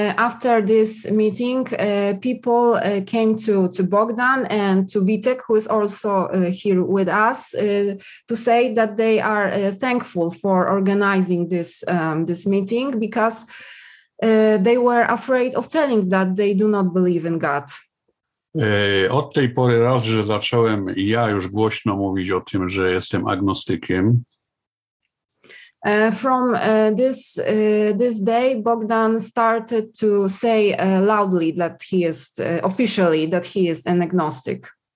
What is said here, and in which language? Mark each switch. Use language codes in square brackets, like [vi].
[en] After this meeting, people came to Bogdan and to Witek, who is also here with us, to say that they are thankful for organizing this this meeting, because they were afraid of telling that they do not believe in God. [pl] Od tej pory raz, że zacząłem ja już głośno mówić o tym, że jestem agnostykiem. [en] From this day, Bogdan started to say loudly that he is officially that he is an agnostic.